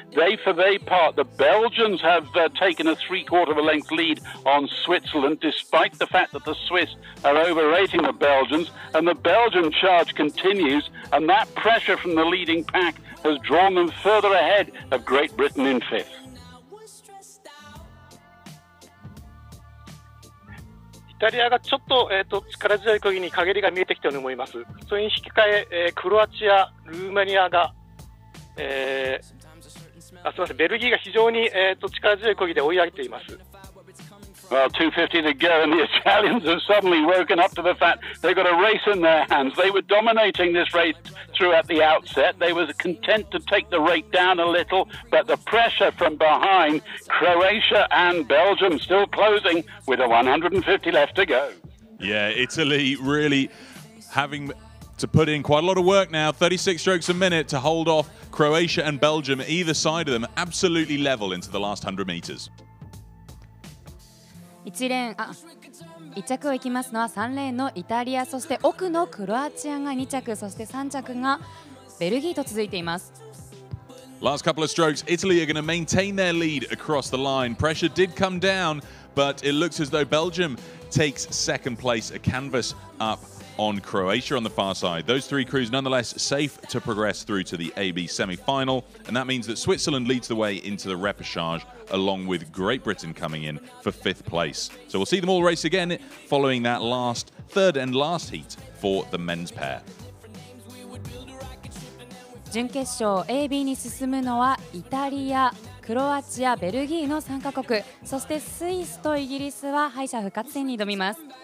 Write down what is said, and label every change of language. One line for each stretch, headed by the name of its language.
English: They for their part, the Belgians have taken a three quarter of a length lead on Switzerland despite the fact that the Swiss are overrating the Belgians and the Belgian charge continues and that pressure from the leading pack has drawn them further ahead of Great Britain in fifth.
Japanese: イタリアがちょっと、力強い漕ぎに陰りが見えてきたように思います。それに引き換ええー、クロアチア、ルーマニアが、すみません、ベルギーが非常に、力強い漕ぎで追い上げています。
English: Well, 2:50 to go, and the Italians have suddenly woken up to the fact they've got a race in their hands. They were dominating this race throughout the outset. They were content to take the rate down a little, but the pressure from behind, Croatia and Belgium still closing with a 150 left to go. Yeah, Italy really having to put in quite a lot of work now, 36 strokes a minute to hold off Croatia and Belgium, either side of them, absolutely level into the last 100 metres.
Japanese: 1着を行きますのは3レーンのイタリア、そして奥のクロアチアが2着、そして3着がベルギーと続いています。
English: Last couple of strokes, Italy are going to maintain their lead across the line. Pressure did come down, but it looks as though Belgium takes second place, a canvas up on Croatia on the far side. Those three crews nonetheless safe to progress through to the AB semi-final, and that means that Switzerland leads the way into the repechage. Along with Great Britain coming in for fifth place. So we'll see them all race again following that last, third and last heat for the men's pair.
Japanese: 準決勝 AB に進むのはイタリア、クロアチア、ベルギーの3カ国、そしてスイスとイギリスは敗者復活戦に挑みます。